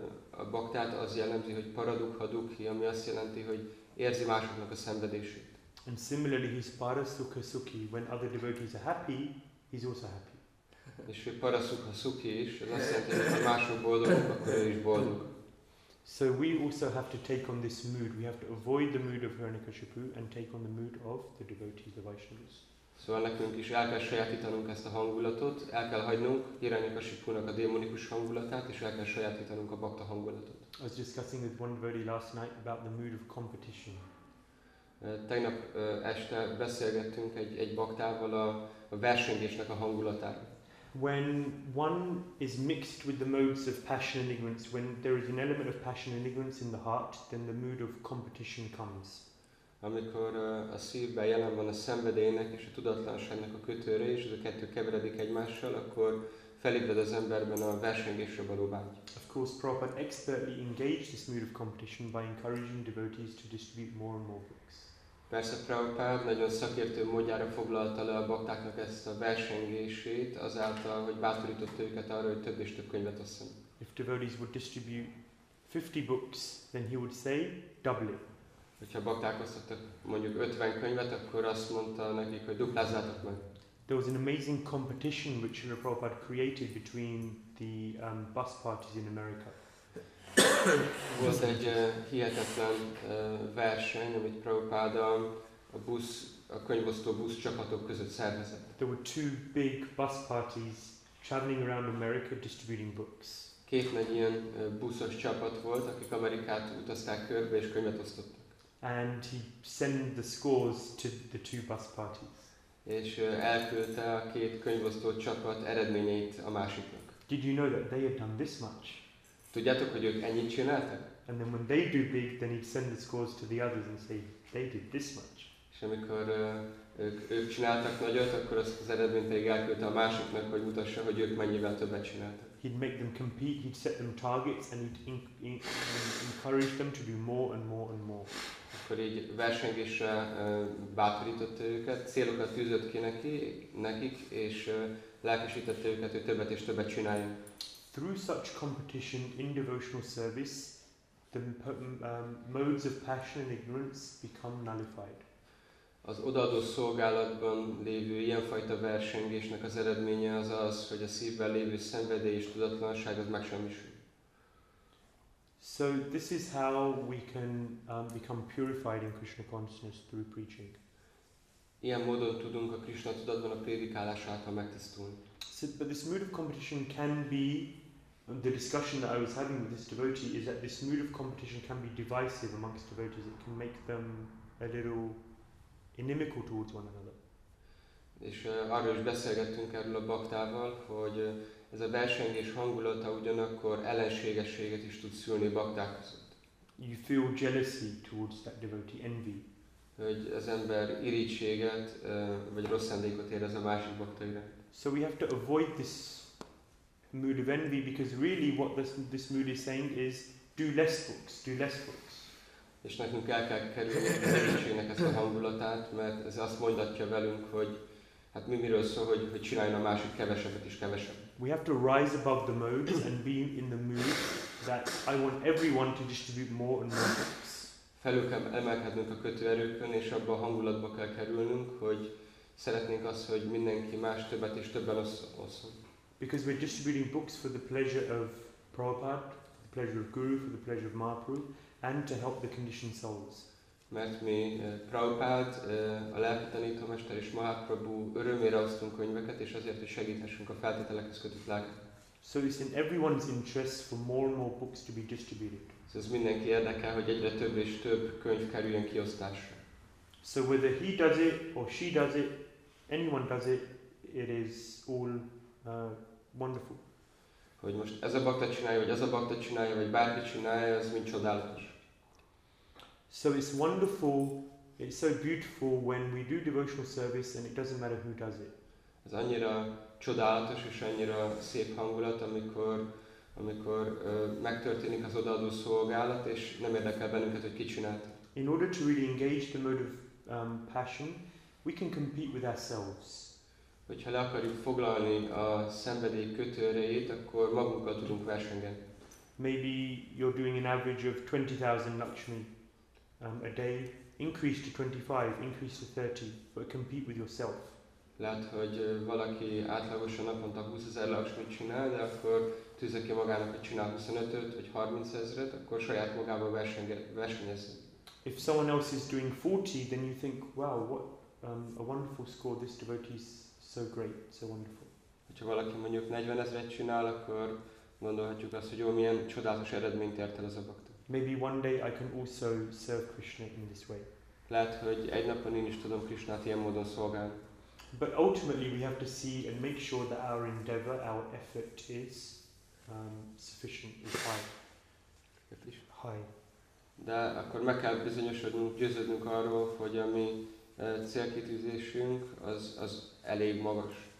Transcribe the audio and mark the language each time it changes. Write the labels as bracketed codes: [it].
[hu] A baktát az jellemzi, hogy paradukha dukhi, ami azt jelenti, hogy érzi másoknak a szenvedését. [en] And similarly, he's parasukha sukhi. When other devotees are happy, he's also happy. [hu] És hogy parasukha sukhi is, az azt jelenti, hogy ha mások boldogok, akkor ő is boldog. [en] So we also have to take on this mood. We have to avoid the mood of Hiranyakasipu and take on the mood of the devotees, the Vaishnavas. [hu] Szóval nekünk is el kell sajátítanunk ezt a hangulatot, el kell hagynunk Hiranyakasipunak a démonikus hangulatát, és el kell sajátítanunk a bhakta hangulatot. [en] I was discussing with one devotee last night about the mood of competition. [hu] Tegnap este beszélgettünk egy baktával a versengésnek a hangulatáról. [en] When one is mixed with the modes of passion and ignorance, when there is an element of passion and ignorance in the heart, then the mood of competition comes. [hu] Amikor a szívben jelen van a szenvedélynek és a tudatlanságnak a kötőre, és ez a kettő keveredik egymással, akkor felébred az emberben a versengésre való vágy. [en] Of course, Prabhupada expertly engaged this mood of competition by encouraging devotees to distribute more and more books. [hu] Persze Prabhupada nagyon szakértő módjára foglalta le a baktáknak ezt a versengését, azáltal, hogy bátorította őket arra, hogy több és több könyvet osszanak. [en] If devotees would distribute 50 books, then he would say, double it. [hu] Hogyha bakták osztottak mondjuk 50 könyvet, akkor azt mondta nekik, hogy duplázzátok meg. [en] There was an amazing competition which Srila Prabhupada created between the bus parties in America. [hu] Volt egy hihetetlen verseny, amit Prabhupada a könyvosztó busz csapatok között szervezett. [en] There were two big bus parties traveling around America distributing books. [hu] Két nagy ilyen buszos csapat volt, akik Amerikát utazták körbe és könyvet osztottak. [en] And he sent the scores to the two bus parties. [hu] És elküldte a két könyvosztó csapat eredményeit a másiknak. [en] Did you know that they had done this much? [hu] Tudjátok, hogy ők ennyit csináltak? [en] And then when they do big, then he'd send the scores to the others and say, they did this much. [hu] És amikor ők csináltak nagyot, akkor azt az eredményt pedig elküldte a másoknak, hogy mutassa, hogy ők mennyivel többet csináltak. [en] He'd make them compete, he'd set them targets, and he'd encourage them to do more and more and more. [hu] Akkor így versengésre bátorította őket, célokat tűzött ki nekik, és lelkesítette őket, hogy többet és többet csináljon. [en] Through such competition in devotional service, the modes of passion and ignorance become nullified. [hu] Az odaadó szolgálatban lévő ilyenfajta versengésnek az eredménye az az, hogy a szívben lévő szenvedély és tudatlanság az megsemmisül. [en] So this is how we can become purified in Krishna consciousness through preaching. [hu] Ilyen módon tudunk a Krishna tudatban a prédikálás által megtisztulni. [en] So, but this mood of competition can be, the discussion that I was having with this devotee is that this mood of competition can be divisive amongst devotees. It can make them a little inimical towards one another. [hu] És arról is beszélgettünk erről a baktával, hogy ez a versengés hangulata ugyanakkor ellenségességet is tud szülni bakták között. [en] You feel jealousy towards that devotee, envy. [hu] Hogy az ember irítséget vagy rossz szándékot érez a másik bakta iránt. [en] So we have to avoid this mood of envy, because really what this mood is saying is do less books, do less books. [hu] És nekünk el kell kerülni az irítségnek ezt a hangulatát, mert ez azt mondatja velünk, hogy hát mi miről szól, hogy csináljon a másik kevesebbet és kevesebbet. [en] We have to rise above the modes and be in the mood that I want everyone to distribute more and more books. [hu] Felül kell emelkednünk a kötőerőkön, és abban a hangulatban kell kerülnünk, hogy szeretnénk azt, hogy mindenki más többet és többen osszon. [en] Because we're distributing books for the pleasure of Prabhupada, the pleasure of Guru, for the pleasure of Mahaprabhu, and to help the conditioned souls. [hu] Mert mi Prabhupád, a lelki tanítómester és Mahaprabhu örömére osztunk könyveket, és azért, hogy segíthessünk a feltételekhez kötött lelket. [en] So it's in everyone's interest for more and more books to be distributed. [hu] So ez mindenki érdekel, hogy egyre több és több könyv kerüljön kiosztásra. [en] So whether he does it or she does it, anyone does it, it is all wonderful. [hu] Hogy most ez a bakta csinálja, vagy az a bakta csinálja, vagy bárki csinálja, az mind csodálatos. [en] So it's wonderful, it's so beautiful when we do devotional service and it doesn't matter who does it. [hu] Ez annyira csodálatos és annyira szép hangulat, amikor megtörténik az odaadó szolgálat, és nem érdekel bennünket, hogy ki csinálta. [en] In order to really engage the mode of passion, we can compete with ourselves. [hu] Hogyha le akarjuk foglalni a szenvedély kötőerejét, akkor magunkkal tudunk versengeni. [en] Maybe you're doing an average of 20,000 lakshmi a day. Increase to 25, increase to 30, but compete with yourself. [hu] Lehet, hogy valaki átlagosan naponta 20,000 lakshmit csinál, de akkor tűzze ki magának, hogy csinál 25-öt vagy 30,000-et, akkor saját magával versenyezzen. [en] If someone else is doing 40, then you think, wow, what a wonderful score this devotee is. So great, so wonderful. [hu] Hogyha valaki mondjuk 40,000-et csinál, akkor gondolhatjuk azt, hogy jó, milyen csodálatos eredményt ért el az a bakta. [en] Maybe one day I can also serve Krishna in this way. [hu] Lehet, hogy egy napon én is tudom Krishnát ilyen módon szolgálni. [en] But ultimately we have to see and make sure that our endeavor, our effort is sufficient, is high. High. [hu] De akkor meg kell bizonyosodnunk, győződnünk arról, hogy a mi célkitűzésünk az elég magas.